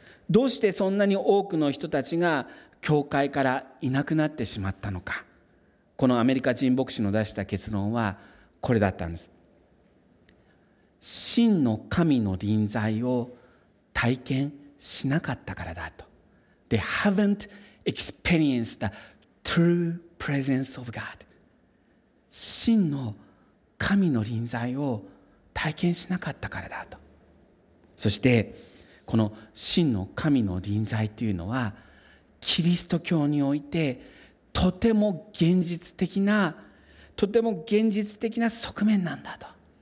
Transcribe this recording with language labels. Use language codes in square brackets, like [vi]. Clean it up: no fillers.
[ja] どうしてそんなに多くの人たちが教会からいなくなってしまったのか。このアメリカ人牧師の出した結論はこれだったんです。真の神の臨在を体験しなかったからだと。 [en] They haven't experienced the true presence of God。 [ja] 真の神の臨在を体験しなかったからだと。そしてこの真の神の臨在というのはキリスト教においてとても現実的な、とても現実的な側面なんだと。